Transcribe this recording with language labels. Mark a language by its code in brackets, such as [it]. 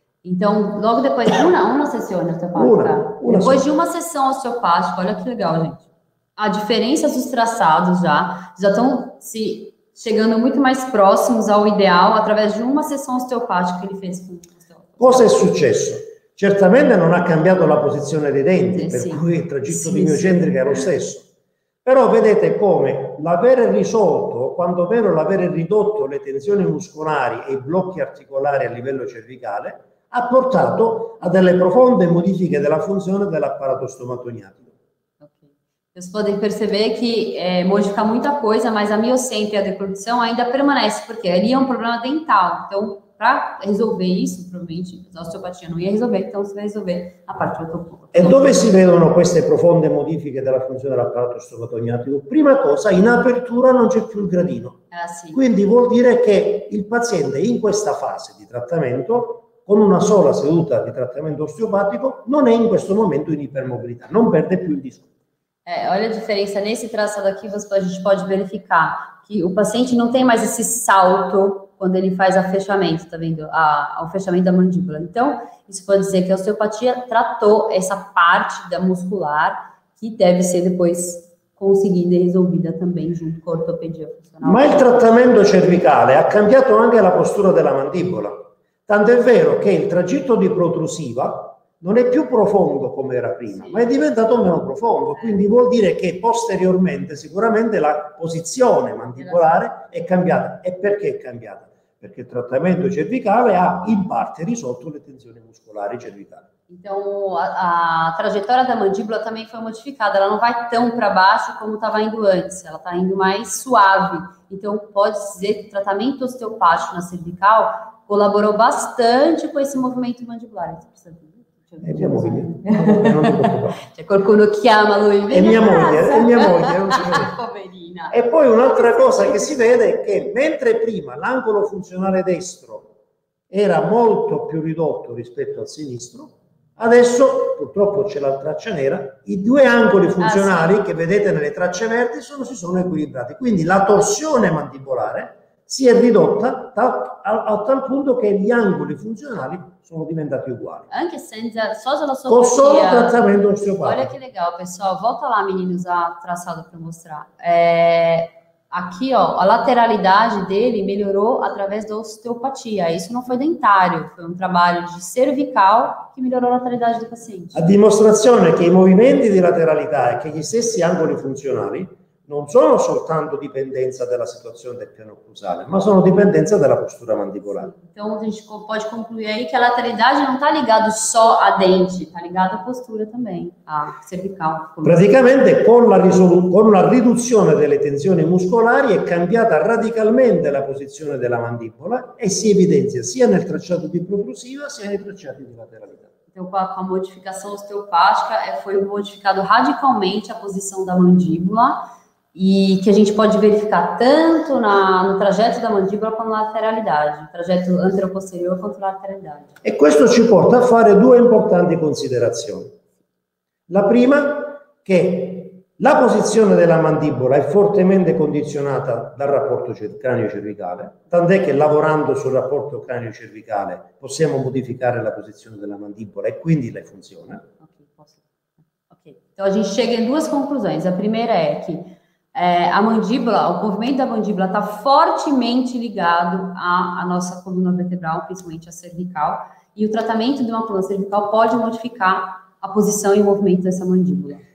[pt] Então, logo depois de uma sessão osteopática, de uma sessão osteopática, olha que legal, gente. A diferença dos traçados já estão se chegando muito mais próximos ao ideal através de uma sessão osteopática que ele fez com o osteopata. [it] Cosa è successo? Certamente non ha cambiato la posizione dei denti, per cui il tragitto di miocentrica era lo stesso. Però vedete come l'avere risolto, quantomeno l'avere ridotto le tensioni muscolari e i blocchi articolari a livello cervicale, ha portato a delle profonde modifiche della funzione dell'apparato stomatognatico. Ok. [pt] Vocês podem perceber que modifica muita coisa, mas a miocentria e a deglutição ainda permanece, porque ali é um problema dental. Então, para resolver isso, provavelmente a osteopatia não ia resolver, então você vai resolver a parte do topo. [it] E dove si vedono queste profonde modifiche della funzione dell'apparato stomatognatico? Prima cosa, in apertura non c'è più il gradino. Ah, sì. Quindi vuol dire che il paziente in questa fase di trattamento, con una sola seduta di trattamento osteopatico, non è in questo momento in ipermobilità, non perde più il disco. [pt] Olha a diferença, nesse traçado aqui a gente pode verificar que o paciente não tem mais esse salto quando ele faz a fechamento, tá vendo? O fechamento da mandíbula. Então, isso pode dizer que a osteopatia tratou essa parte da muscular que deve ser depois conseguida e resolvida também junto com a ortopedia funcional. Mas o tratamento [it] cervicale ha cambiato anche la postura della mandibola. Tanto è vero che il tragitto di protrusiva non è più profondo come era prima, ma è diventato meno profondo, quindi vuol dire che posteriormente sicuramente la posizione mandibolare è cambiata. E perché è cambiata? Perché il trattamento cervicale ha in parte risolto le tensioni muscolari cervicali. [pt] Então a trajetória da mandíbula também foi modificada, ela não vai tão para baixo como estava indo antes, ela está indo mais suave. Então pode dizer que o tratamento osteopático na cervical colaborou bastante com esse movimento mandibular. [it] Mia moglie. C'è qualcuno che chiama lui. È mia moglie. Poverina. E poi un'altra cosa che si vede è che mentre prima l'angolo funzionale destro era molto più ridotto rispetto al sinistro, adesso purtroppo c'è la traccia nera, i due angoli funzionali che vedete nelle tracce verdi si sono equilibrati, quindi la torsione mandibolare si è ridotta a tal punto che gli angoli funzionali sono diventati uguali. Anche senza, con solo trattamento osteopatico. [pt] Olha che legal, pessoal. Volta lá, meninos, a traçado para mostrar. Aqui, ó, a lateralidade dele melhorou através da osteopatia. Isso não foi dentário, foi um trabalho de cervical que melhorou a lateralidade do paciente. [it] A dimostrazione che i movimenti di lateralità e che gli stessi angoli funzionali non sono soltanto dipendenza della situazione del piano occlusale, ma sono dipendenza della postura mandibolare. [pt] Então, a gente [it] può concludere che la lateralidade non sta legata solo a dente, sta legata a postura [pt] também, a cervical. [it] Praticamente, con la riduzione delle tensioni muscolari, è cambiata radicalmente la posizione della mandibola e si evidenzia sia nel tracciato di protrusiva, sia nei tracciati di lateralità. [pt] Então, com a modificação osteopática, foi modificado radicalmente a posição da mandibola, e que a gente pode verificar tanto no trajeto da mandibola quanto na lateralidade, trajeto anteroposterior quanto na lateralidade. [it] E questo ci porta a fare due importanti considerazioni. La prima, che la posizione della mandibola è fortemente condizionata dal rapporto cranio-cervicale, tant'è che lavorando sul rapporto cranio-cervicale possiamo modificare la posizione della mandibola e quindi la funzione. Okay. [pt] Então a gente chega em duas conclusões. A primeira é que a mandíbula, o movimento da mandíbula está fortemente ligado à nossa coluna vertebral, principalmente a cervical, e o tratamento de uma coluna cervical pode modificar a posição e o movimento dessa mandíbula.